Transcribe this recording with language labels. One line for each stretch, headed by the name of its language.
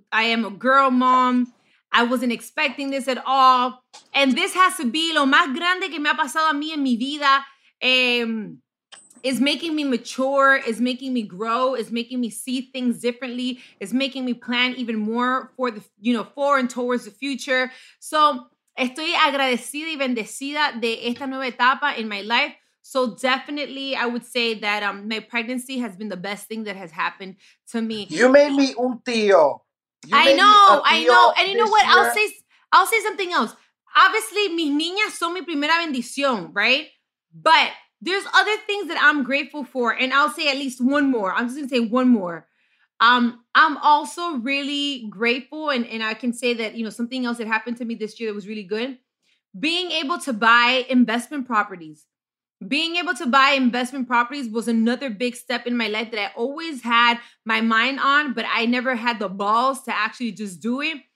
English: I am a girl mom. I wasn't expecting this at all. And this has to be
Spanish: lo más grande que me ha pasado a mí en mi vida.
English: Is making me mature, is making me grow, is making me see things differently, is making me plan even more for the, you know, for and towards the future.
Spanish: So estoy agradecida y bendecida de esta nueva etapa
English: in my life. So definitely, I would say that my pregnancy has been the best thing that has happened to me. You made me
Spanish: un tío.
English: I know. And you know what? I'll say something else.
Spanish: Obviously, mis niñas son mi primera bendición, right?
English: But there's other things that I'm grateful for. And I'll say at least one more. I'm just going to say one more. I'm also really grateful. And I can say that, you know, something else that happened to me this year that was really good. Being able to buy investment properties. Being able to buy investment properties was another big step in my life that I always had my mind on, but I never had the balls to actually just do it.